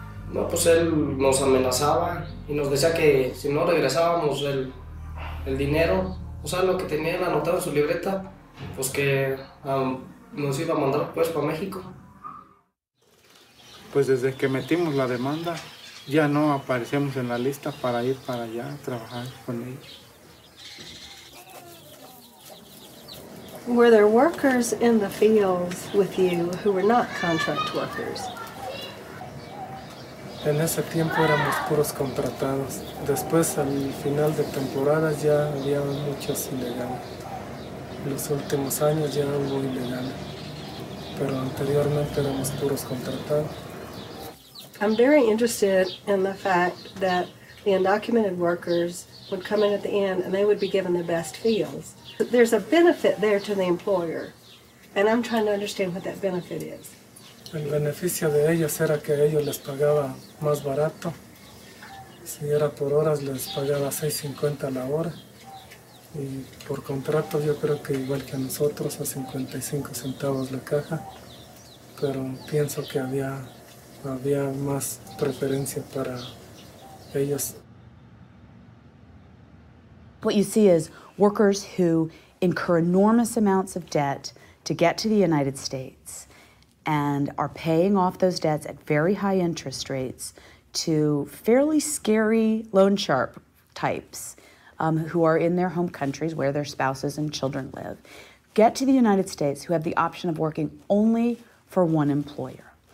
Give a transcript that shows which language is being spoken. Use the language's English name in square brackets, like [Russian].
[Spanish] No, pues él nos amenazaba y nos decía que si no regresábamos el dinero, o sea, lo que tenía anotado en su libreta, pues que nos iba a mandar pues para México. Pues desde que metimos la demanda, ya no aparecemos en la lista para ir para allá a trabajar con ellos. [English] Were there workers in the fields with you who were not contract workers? [Spanish] En ese tiempo éramos puros contratados. Después, al final de temporada, ya había muchos ilegales. En los últimos años ya hubo ilegales. Pero anteriormente éramos puros contratados. [English] I'm very interested in the fact that the undocumented workers would come in at the end and they would be given the best fields. There's a benefit there to the employer, and I'm trying to understand what that benefit is. [Spanish] El beneficio de ellos era que ellos les pagaba más barato. Si era por horas, les pagaba $6.50 la hora. Y por contrato, yo creo que igual que a nosotros, a 55 centavos la caja. Pero pienso que había más preferencia para ellos. [English] What you see is workers who incur enormous amounts of debt to get to the United States and are paying off those debts at very high interest rates to fairly scary loan shark types who are in their home countries where their spouses and children live, get to the United States, who have the option of working only for one employer.